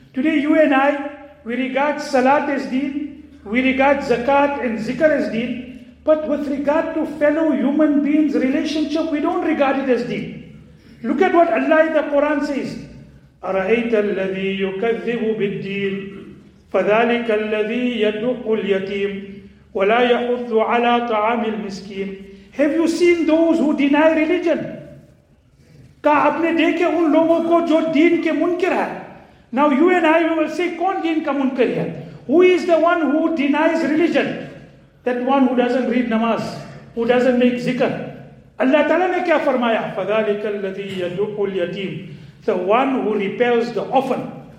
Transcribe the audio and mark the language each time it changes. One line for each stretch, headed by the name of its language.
English: Today you and I, we regard salat as deen, we regard zakat and zikr as deen, but with regard to fellow human beings' relationship, we don't regard it as deen. Look at what Allah in the Quran says.
Arabic: أَرَأَيْتَ الَّذِي يُكَذِّبُ بِالدِّينِ فَذَلِكَ الَّذِي يَدُّقُ الْيَتِيمِ وَلَا يَحُثُّ عَلَىٰ طَعَامِ الْمِسْكِينِ.
English: Have you seen those who deny religion?
Urdu: کہا آپ نے دیکھے ان لوگوں کو جو دین کے منکر ہے.
English: Now you and I, we will say,
Urdu: کون دین کا منکر ہے?
English: Who is the one who denies religion? That one who doesn't read namaz, who doesn't make zikr.
Urdu: Allah Ta'ala ne kya farmaya?
Arabic: فَذَلِكَ الَّذِي يَدُّقُ الْيَتِيمِ.
English: The one who repels the orphan.